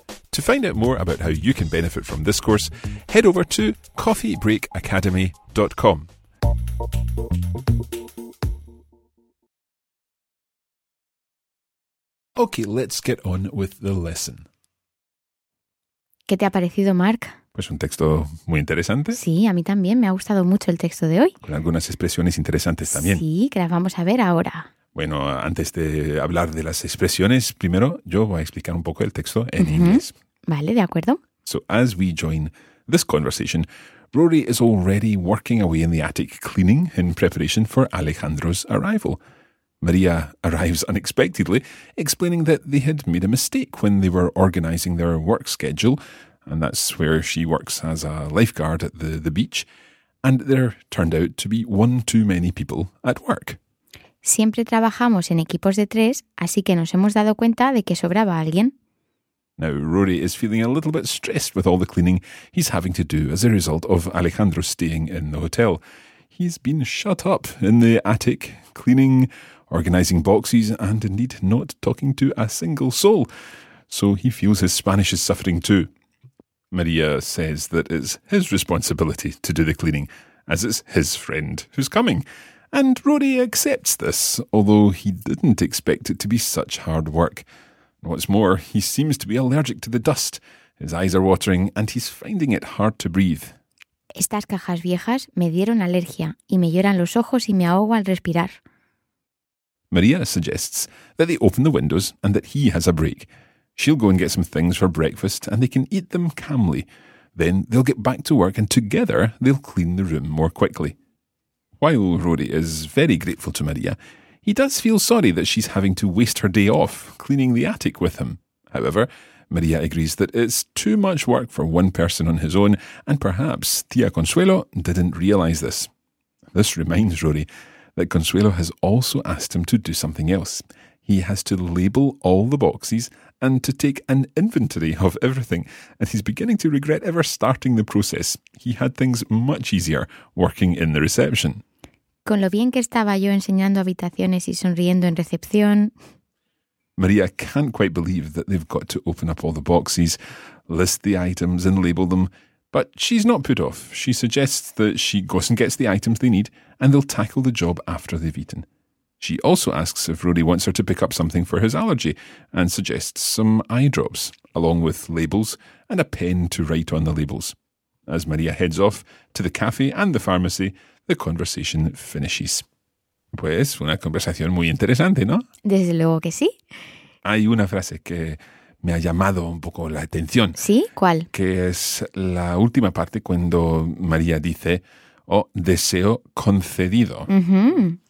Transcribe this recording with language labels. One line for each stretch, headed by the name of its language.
English: To find out more about how you can benefit from this course, head over to coffeebreakacademy.com. Okay, let's get on with the lesson.
Spanish: ¿Qué te ha parecido, Mark? Pues un texto muy interesante. Sí, a mí también. Me ha gustado mucho el texto de hoy. Con algunas expresiones interesantes también. Sí, que las vamos a ver ahora. Bueno, antes de hablar de las expresiones, primero yo voy a explicar un poco el texto en inglés. Vale, de acuerdo.
English: So, as we join this conversation, Rory is already working away in the attic cleaning in preparation for Alejandro's arrival. Maria arrives unexpectedly, explaining that they had made a mistake when they were organizing their work schedule, and that's where she works as a lifeguard at the beach, and there turned out to be one too many people at work.
Spanish: Siempre trabajamos en equipos de tres, así que nos hemos dado cuenta de que sobraba alguien.
English: Now, Rory is feeling a little bit stressed with all the cleaning he's having to do as a result of Alejandro staying in the hotel. He's been shut up in the attic, cleaning, organizing boxes, and indeed not talking to a single soul. So he feels his Spanish is suffering too. Maria says that it's his responsibility to do the cleaning, as it's his friend who's coming. And Rory accepts this, although he didn't expect it to be such hard work. What's more, he seems to be allergic to the dust. His eyes are watering and he's finding it hard to breathe.
Spanish: Estas cajas viejas me dieron alergia y me lloran los ojos y me ahogo al respirar.
English: Maria suggests that they open the windows and that he has a break. She'll go and get some things for breakfast and they can eat them calmly. Then they'll get back to work and together they'll clean the room more quickly. While Rory is very grateful to Maria, he does feel sorry that she's having to waste her day off cleaning the attic with him. However, Maria agrees that it's too much work for one person on his own, and perhaps Tía Consuelo didn't realise this. This reminds Rory that Consuelo has also asked him to do something else. He has to label all the boxes and to take an inventory of everything, and he's beginning to regret ever starting the process. He had things much easier working in the reception.
Spanish: Con lo bien que estaba yo enseñando habitaciones y sonriendo en recepción.
English: Maria can't quite believe that they've got to open up all the boxes, list the items and label them, but she's not put off. She suggests that she goes and gets the items they need and they'll tackle the job after they've eaten. She also asks if Rory wants her to pick up something for his allergy and suggests some eye drops, along with labels and a pen to write on the labels. As Maria heads off to the cafe and the pharmacy, the conversation finishes.
Spanish: Pues, una conversación muy interesante, ¿no? Desde luego que sí. Hay una frase que me ha llamado un poco la atención. ¿Sí? ¿Cuál? Que es la última parte cuando María dice, oh, deseo concedido. Uh-huh.